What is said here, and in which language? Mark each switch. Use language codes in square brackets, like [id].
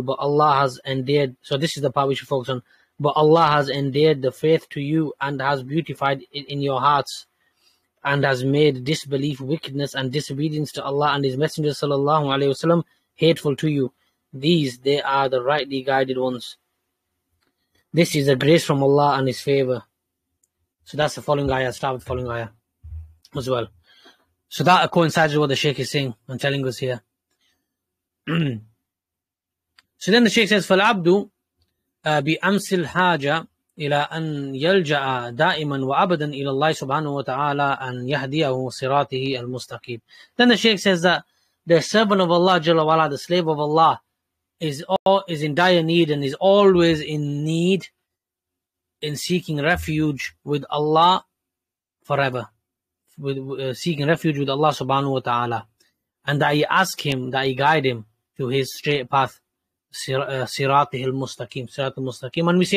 [en] But Allah has endeared, so this is the part we should focus on, but Allah has endeared the faith to you and has beautified it in your hearts and has made disbelief, wickedness and disobedience to Allah and His Messenger sallallahu alayhi wa sallam hateful to you. These, they are the rightly guided ones. This is a grace from Allah and His favor. So that's the following ayah. Start with the following ayah as well. So that coincides with what the Shaykh is saying and telling us here. So then the Shaykh says, [ar] فَالْعَبْدُ بِأَمْسِ الْحَاجَ إِلَىٰ أَنْ يَلْجَأَ دَائِمًا وَأَبَدًا إِلَى اللَّهِ سُبْحَانَهُ وَتَعَالَىٰ أَنْ يَهْدِيَهُ صِرَاطِهِ الْمُسْتَقِيمِ. [en] Then the Shaykh says that the servant of Allah, [ar] جل وعلا, [en] the slave of Allah, is in dire need and is always in need in seeking refuge with Allah forever. Seeking refuge with Allah subhanahu wa ta'ala. And that he ask him, that he guide him to his straight path, siratihi al-mustaqim, siratul mustaqim.